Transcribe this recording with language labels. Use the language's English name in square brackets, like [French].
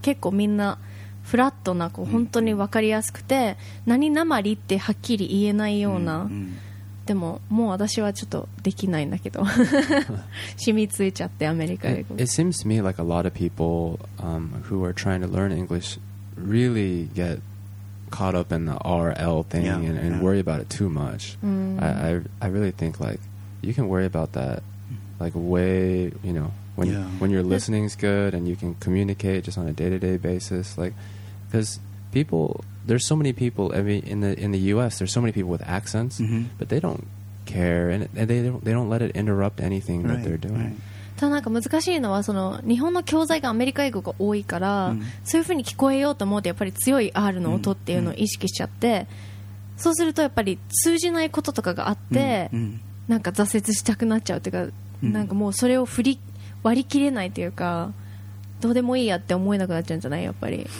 [Japanese] 結構みんなフラットなこう本当に分かりやすくて、mm-hmm. 何なまりってはっきり言えないような、mm-hmm. でももう私はちょっとできないんだけど染みついちゃってアメリカ英語。 [English] It seems to me like a lot of people who are trying to learn English really get caught up in the RL thing yeah, and yeah. worry about it too much. I really think like you can worry about that like way, you know, when, yeah. when your listening's good and you can communicate just on a day-to-day basis. Like, because people, there's so many people, I mean, in the U.S., there's so many people with accents, mm-hmm. but they don't care and they don't let it interrupt anything right, that they're doing. Right. [Japanese] ただなんか難しいのはその日本の教材がアメリカ英語が多いから、うん、そういう風に聞こえようと思うとやっぱり強い R の音っていうのを意識しちゃって、うん、そうするとやっぱり通じないこととかがあって、うん、なんか挫折したくなっちゃうというか、うん、なんかもうそれを割り切れないというかどうでもいいやって思えなくなっちゃうんじゃない。やっぱり